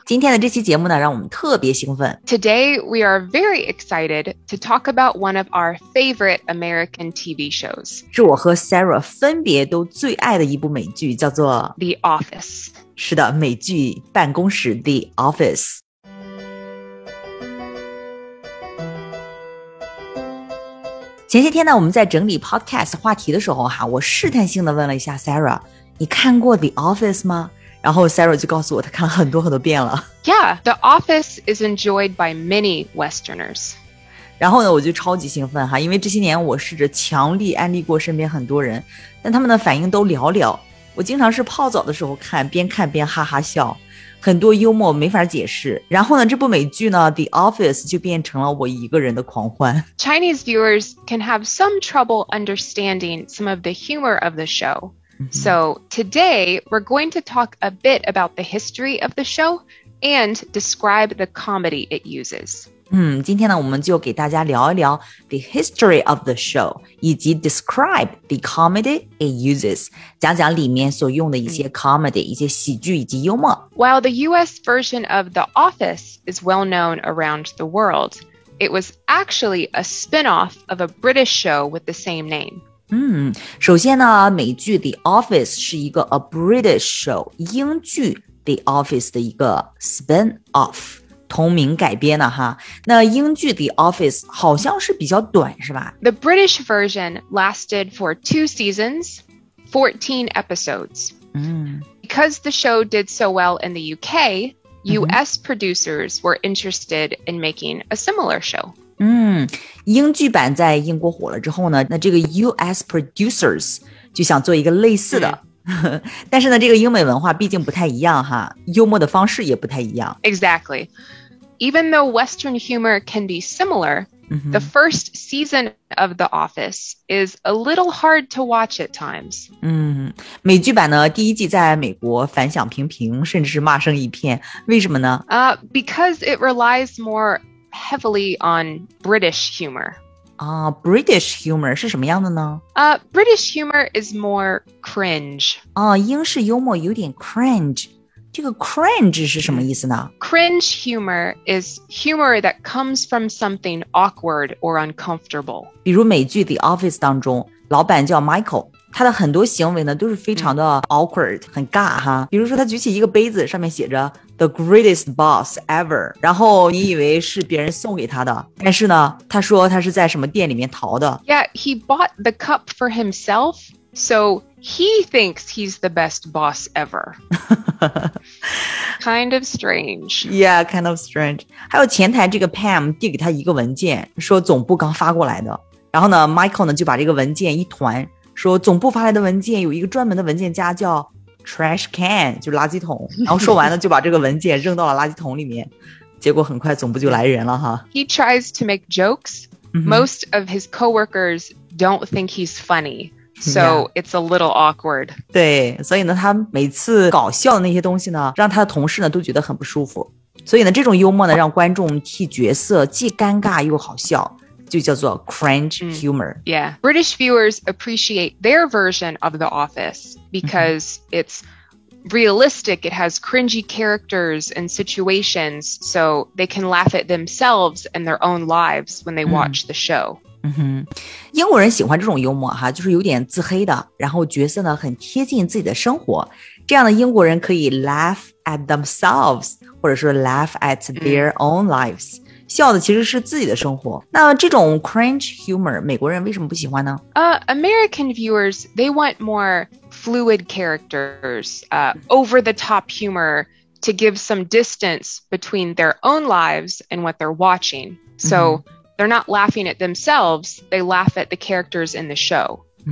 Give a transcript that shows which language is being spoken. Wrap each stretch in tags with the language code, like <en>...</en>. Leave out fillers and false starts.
<zh>今天的这期节目呢，让我们特别兴奋。</zh> <en>Today, we are very excited to talk about one of our favorite American TV shows.</en> <zh>是我和 Sarah 分别都最爱的一部美剧，叫做</zh> <en>The Office.</en> <zh>是的，美剧办公室 The Office. 前些天呢，我们在整理 podcast 话题的时候哈，我试探性的问了一下 Sarah， 你看过 The Office 吗？然后 Sarah 就告诉我，她看了很多很多遍了。</zh> <en>Yeah, The Office is enjoyed by many Westerners.</en> <zh>然后呢，我就超级兴奋哈，因为这些年我试着强力安利过身边很多人，但他们的反应都寥寥。我经常是泡澡的时候看，边看边哈哈笑。很多幽默没法解释。然后呢，这部美剧呢 The Office 就变成了我一个人的狂欢。</zh> <en>Chinese viewers can have some trouble understanding some of the humor of the show. So today, we're going to talk a bit about the history of the show and describe the comedy it uses.</en> <zh>今天呢，我们就给大家聊一聊</zh> <en>the history of the show</en> <zh>以及</zh> <en>describe the comedy it uses，</en> <zh>讲讲里面所用的一些 comedy、一些喜剧以及幽默。</zh> <en>While the US version of The Office is well known around the world, it was actually a spin-off of a British show with the same name.</en> <zh>首先呢，美剧 The Office 是一个</zh> <en>a British show，</en> <zh>英剧 The Office 的一个 spin-off。同名改编的哈，那英剧 The Office 好像是比较短是吧？</zh> <en>The British version lasted for 2 seasons, 14 episodes. Because the show did so well in the UK, US producers were interested in making a similar show.</en> <zh>英剧版在英国火了之后呢，那这个</zh> <en>US producers</en> <zh>就想做一个类似的。但是呢，这个英美文化毕竟不太一样哈，幽默的方式也不太一样。</zh> <en>Exactly. Even though Western humor can be similar, the first season of The Office is a little hard to watch at times.</en> <zh>美剧版呢，第一季在美国反响平平，甚至是骂声一片。为什么呢？</zh> <en>Because it relies more heavily on British humor.</en> <zh>British humor 是什么样的呢？</zh> <en>British humor is more cringe.</en> <zh>英式幽默有点 cringe. 这个 cringe 是什么意思呢？</zh> <en>Cringe humor is humor that comes from something awkward or uncomfortable.</en> <zh>比如美剧 The Office 当中，老板叫 Michael， 他的很多行为呢都是非常的 awkward， 很尬哈。比如说他举起一个杯子，上面写着</zh> <en>The greatest boss ever，</en> <zh>然后你以为是别人送给他的，但是呢，他说他是在什么店里面淘的。</zh> <en>Yeah, he bought the cup for himself, so he thinks he's the best boss ever. Kind of strange. Yeah, kind of strange.</en> <zh>还有前台这个 Pam 递给他一个文件，说总部刚发过来的。然后呢 ，Michael 呢就把这个文件一团，说总部发来的文件有一个专门的文件夹叫 trash can， 就是垃圾桶。然后说完了就把这个文件扔到了垃圾桶里面。结果很快总部就来人了哈。</zh> <en>He tries to make jokes. Most of his coworkers don't think he's funny. So it's a little awkward.</en> <zh>对，所以呢，他每次搞笑的那些东西呢，让他的同事呢都觉得很不舒服。所以呢，这种幽默呢，让观众替角色既尴尬又好笑，就叫做 cringe humor.</zh> <en>Yeah, British viewers appreciate their version of The Office because it's realistic. It has cringy characters and situations, so they can laugh at themselves and their own lives when they watch the show.</en> <zh>英国人喜欢这种幽默哈，就是有点自黑的，然后角色呢很贴近自己的生活，这样的英国人可以</zh> <en>laugh at themselves，</en> <zh>或者说</zh> <en>laugh at their own lives，</en> <zh>笑的其实是自己的生活。那这种 cringe humor 美国人为什么不喜欢呢？</zh> <en>American viewers, they want more fluid characters, over the top humor to give some distance between their own lives and what they're watching. So,They're not laughing at themselves, they laugh at the characters in the show.</en>